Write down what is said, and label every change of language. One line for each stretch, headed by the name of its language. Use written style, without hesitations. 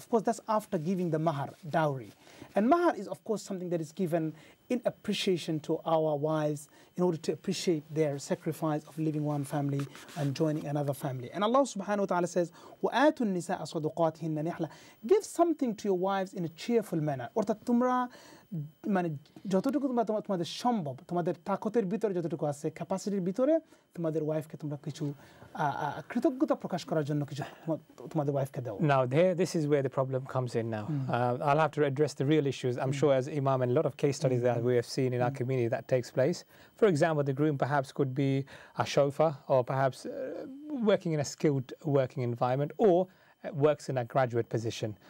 English: Of course, that's after giving the mahar, dowry. And mahar is, of course, something that is given in appreciation to our wives in order to appreciate their sacrifice of leaving one family and joining another family. And Allah subhanahu wa ta'ala says,
Arabic: وَآتُ النِّسَاءَ صَدُقَاتِهِنَّ نِحْلًا.
English: Give something to your wives in a cheerful manner.
Bangla: অর্থাৎ তোমরা মানে যতটুকু তোমাদের সম্ভব, তোমাদের তাকতের ভিতরে যতটুকু আছে, ক্যাপাসিটির ভিতরে, তোমাদের ওয়াইফকে তোমরা কিছু কৃতজ্ঞতা প্রকাশ করার জন্য কিছু তোমাদের ওয়াইফকে দাও.
English: Now there, this is where the problem comes in now. I'll have to address the real issues. I'm sure as imam, and a lot of case studies that we have seen in our community that takes place. For example, the groom perhaps could be a chauffeur, or perhaps working in a skilled working environment, or works in a graduate position.